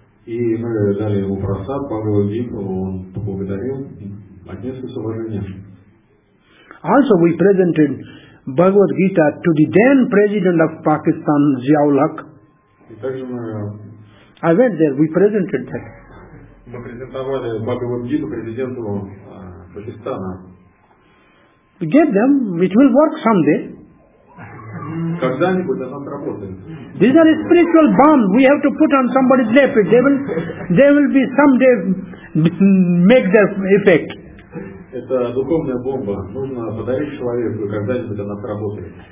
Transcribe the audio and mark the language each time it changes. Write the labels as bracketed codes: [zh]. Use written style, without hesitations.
[ru] И мы дали ему просад, поблагодарил, он поблагодарил, отнесся с уважением. [en] Also we presented Bhagavad Gita to the then president of Pakistan, Ziaul Haq. I went there, we presented that. [ru] Мы презентовали Bhagavad Gita президенту Пакистана. [en] Get them, it will work someday. These are spiritual bombs we have to put on somebody's lip. They will be someday make their effect. [ru] Это духовная бомба. Нужно подарить человеку, когда-нибудь она сработает.